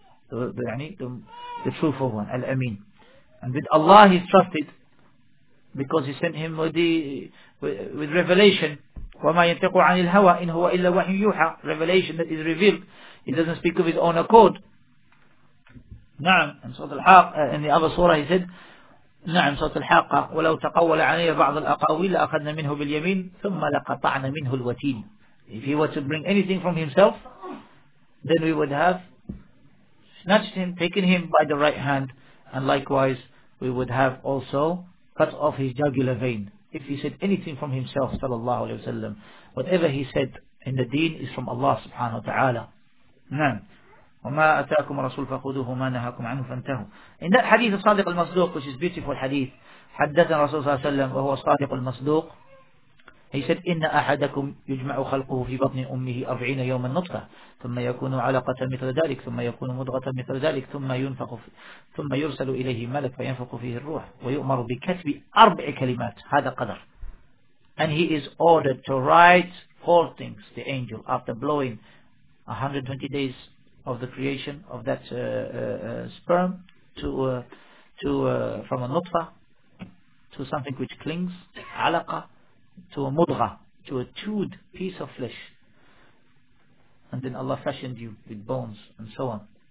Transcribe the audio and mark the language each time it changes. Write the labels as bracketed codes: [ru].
[en] The truthful one, Al-Amin. And with Allah he is trusted. because he sent him with revelation. [ar] وَمَا يَنْتَقُ عَنِ الْهَوَىٰ إِنْ هُوَ إِلَّا وَحْيٌ يُوحَىٰ. [en] Revelation that is revealed. He doesn't speak of his own accord. [ar] نعم. [en] In Surah Al-Haqqa, in the other surah he said, [ar] نعم Surah Al-Haqqa, وَلَوْ تَقَوَّلَ عَلَيَّ بَعْضَ الْأَقَوِيلَ أَخَذْنَا مِنْهُ بِالْيَمِينَ ثُمَّ لَقَطَعْنَا مِنْهُ الْوَتِينَ. [en] If he were to bring anything from himself, then we would have snatched him, taken him by the right hand, and likewise we would have also cut off his jugular vein. If he said anything from himself, sallallahu alayhi wa sallam, whatever he said in the deen is from Allah subhanahu wa ta'ala. [ar] نعم. وَمَا أَتَاكُمَ رَسُولُ فَخُذُوهُ مَا نَهَاكُمْ عَنْهُ فَانْتَهُوا. [en] In that hadith of Sadiq al-Masduq, which is beautiful hadith, [ar] حَدَّثَ رَسُولُ صَلَّى اللَّهُ عَلَيْهِ وَسَلَّمَ وَهُوَ صَادِقُ الْمَصْدُوقِ, [en] he said, [ar] إِنَّ أَحَدَكُمْ يُجْمَعُ خَلْقُهُ فِي بَطْنِ أُمِّهِ أَرْبَعِينَ يَوْمًا نُطْفَةً ثُمَّ يَكُونُ عَلَقَةً مِثْلَ ذَلِكَ ثُمَّ يَكُونُ مُضْغَةً مِثْلَ ذَلِكَ ثُمَّ يُرْسَلُ إِلَيْهِ مَلَكٌ فَيَنْفُخُ فِيهِ الرُّوحَ وَيُؤْمَرُ بِكَتْبِ أَرْبَعِ كَلِمَاتٍ. هَذَا قَدَرٌ. [en] And he is ordered to write four things, the angel, after blowing 120 days of the creation of that sperm from a nutfa to something which clings, alaqa, to a mudgha, to a chewed piece of flesh, and then Allah fashioned you with bones and so on.